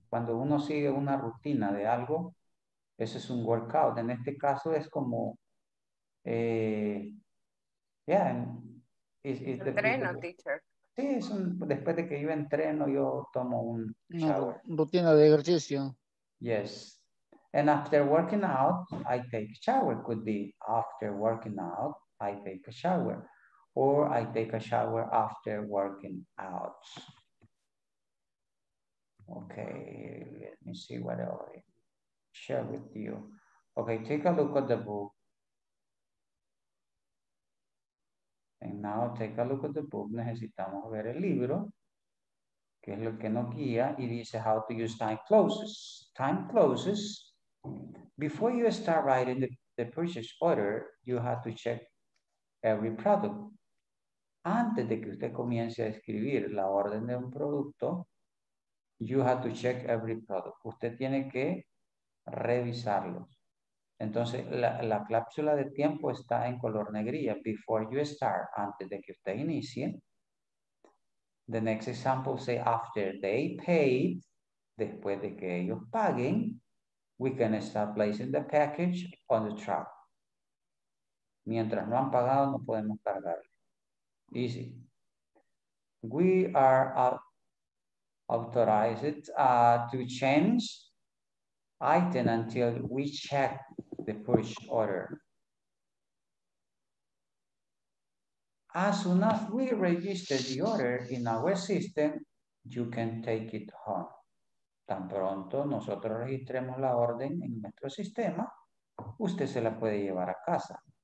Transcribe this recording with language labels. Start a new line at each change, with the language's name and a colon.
Spanish: Cuando uno sigue una rutina de algo, eso es un workout. En este caso es como,
English: yeah, it's the
Spanish: entreno,
English: teacher.
Spanish: Sí, es un, después de que yo entreno, yo tomo un shower. Rutina de ejercicio.
English: Yes. And after working out, I take a shower. Could be after working out, I take a shower. Or I take a shower after working out. Okay, let me see what I share with you. Okay, take a look at the book. And now take a look at the book.
Spanish: Necesitamos ver el libro, que es lo que nos guía. Y dice
English: how to use time clauses. Time clauses. Before you start writing the purchase order, you have to check every product.
Spanish: Antes de que usted comience a escribir la orden de un producto,
English: you have to check every product.
Spanish: Usted tiene que revisarlos. Entonces, la cláusula de tiempo está en color negrilla.
English: Before you start,
Spanish: antes de que usted inicie.
English: The next example say after they paid,
Spanish: después de que ellos paguen,
English: we can start placing the package on the truck.
Spanish: Mientras no han pagado, no podemos cargarlo.
English: Easy. We are authorized to change item until we check the purchase order. As soon as we register the order in our system, you can take it home.
Spanish: Tan pronto nosotros registremos la orden en nuestro sistema, usted se la puede llevar a casa.